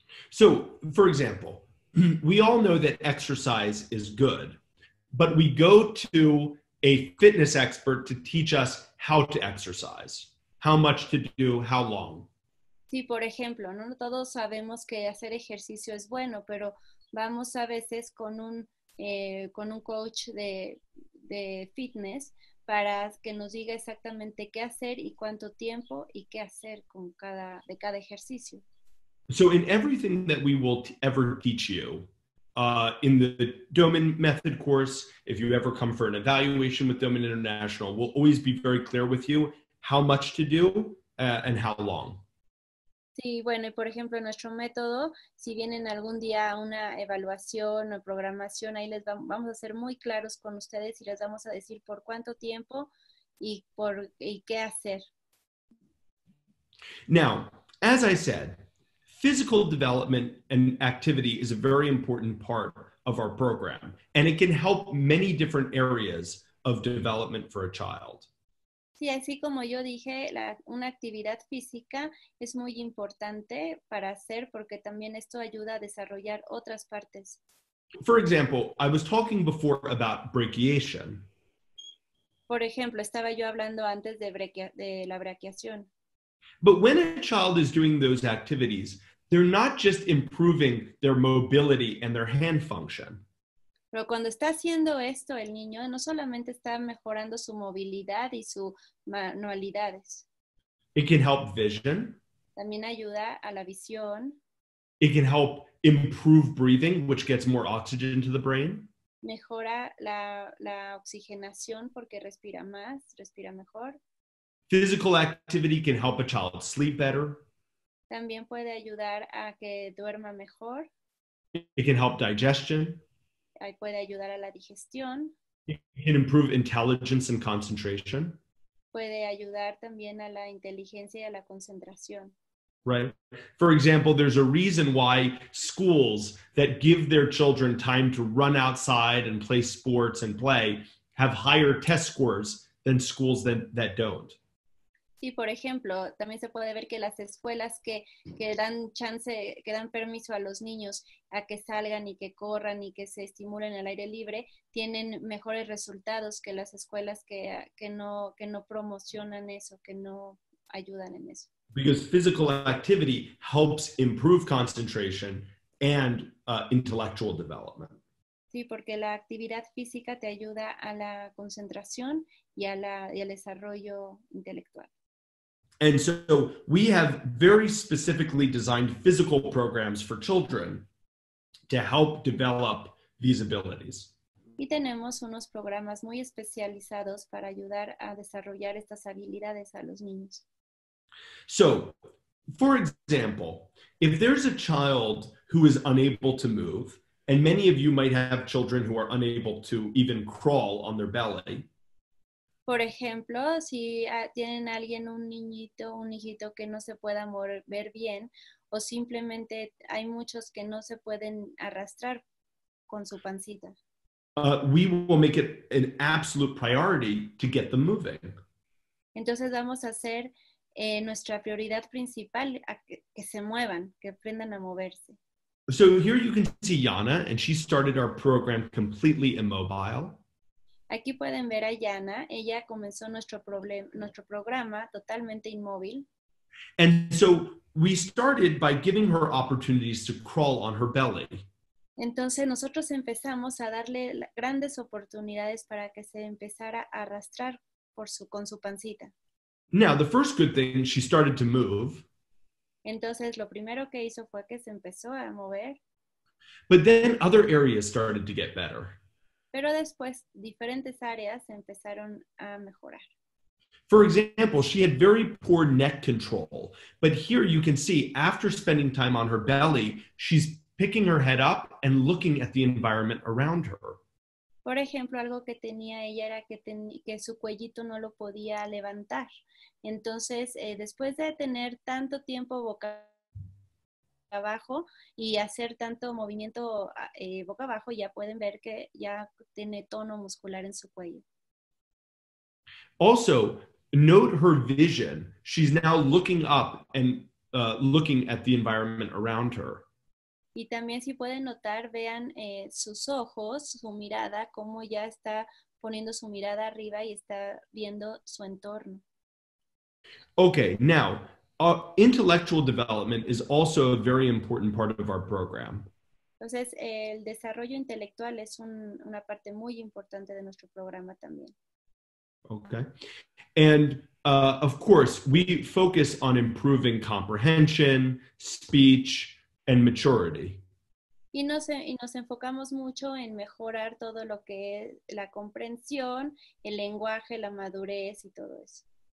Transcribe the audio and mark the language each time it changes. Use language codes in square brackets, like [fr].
[en] So, for example, we all know that exercise is good, but we go to a fitness expert to teach us how to exercise, how much to do, how long. [es] Sí, por ejemplo, no todos sabemos que hacer ejercicio es bueno, pero vamos a veces con un coach de fitness para que nos diga exactamente qué hacer y cuánto tiempo y qué hacer con cada ejercicio. [en] So in everything that we will ever teach you, In the Doman method course, if you ever come for an evaluation with Doman International, we'll always be very clear with you how much to do and how long. [es] Sí, bueno, y por ejemplo, nuestro método, si vienen algún día a una evaluación o programación, ahí les vamos a ser muy claros con ustedes y les vamos a decir por cuánto tiempo y qué hacer. [en] Now, as I said, physical development and activity is a very important part of our program, and it can help many different areas of development for a child. [es] Sí, así como yo dije, una actividad física es muy importante para hacer porque también esto ayuda a desarrollar otras partes. [en] For example, I was talking before about brachiation. [es] Por ejemplo, estaba yo hablando antes de la brachiación. [en] But when a child is doing those activities, they're not just improving their mobility and their hand function. [es] Pero cuando está haciendo esto el niño, no solamente está mejorando su movilidad y sus manualidades. [en] It can help vision. [es] También ayuda a la visión. [en] It can help improve breathing, which gets more oxygen to the brain. [es] Mejora la oxigenación porque respira más, respira mejor. [en] Physical activity can help a child sleep better. [es] También puede ayudar a que duerma mejor. [en] It can help digestion. [es] Ahí puede ayudar a la digestión. [en] It can improve intelligence and concentration. [es] Puede ayudar también a la inteligencia y a la concentración. [en] Right. For example, there's a reason why schools that give their children time to run outside and play sports and play have higher test scores than schools that don't. [es] Sí, por ejemplo, también se puede ver que las escuelas que dan chance, que dan permiso a los niños a que salgan y que corran y que se estimulen al aire libre, tienen mejores resultados que las escuelas que no promocionan eso, que no ayudan en eso. [en] Because physical activity helps improve concentration and intellectual development. [es] Sí, porque la actividad física te ayuda a la concentración y al desarrollo intelectual. [en] And so we have very specifically designed physical programs for children to help develop these abilities. [es] Y tenemos unos programas muy especializados para ayudar a desarrollar estas habilidades a los niños. [en] So, for example, if there's a child who is unable to move, and many of you might have children who are unable to even crawl on their belly. [es] Por ejemplo, si tienen alguien, un hijito que no se pueda mover bien, o simplemente hay muchos que no se pueden arrastrar con su pancita. [en] We will make it an absolute priority to get them moving. [es] Entonces vamos a hacer nuestra prioridad principal a que se muevan, que aprendan a moverse. [en] So here you can see Yana, and she started our program completely immobile. [es] Aquí pueden ver a Yana. Ella comenzó nuestro programa totalmente inmóvil. [en] And so we started by giving her opportunities to crawl on her belly. [es] Entonces nosotros empezamos a darle grandes oportunidades para que se empezara a arrastrar con su pancita. [en] Now, the first good thing, she started to move. [es] Entonces lo primero que hizo fue que se empezó a mover. [en] But then other areas started to get better. [es] Pero después, diferentes áreas empezaron a mejorar. [en] For example, she had very poor neck control. But here you can see, after spending time on her belly, she's picking her head up and looking at the environment around her. [es] Por ejemplo, algo que tenía ella era que su cuellito no lo podía levantar. Entonces, después de tener tanto tiempo boca abajo y hacer tanto movimiento boca abajo, ya pueden ver que ya tiene tono muscular en su cuello. [en] Also, note her vision. She's now looking up and looking at the environment around her. [es] Y también si pueden notar, vean sus ojos, su mirada, cómo ya está poniendo su mirada arriba y está viendo su entorno. [en] Okay, now, intellectual development is also a very important part of our program. [es] Entonces, el desarrollo intelectual es una parte muy importante de nuestro programa también. [en] Okay. And, of course, we focus on improving comprehension, speech, and maturity. [es] Y nos enfocamos mucho en mejorar todo lo que es la comprensión, el lenguaje, la madurez y todo eso.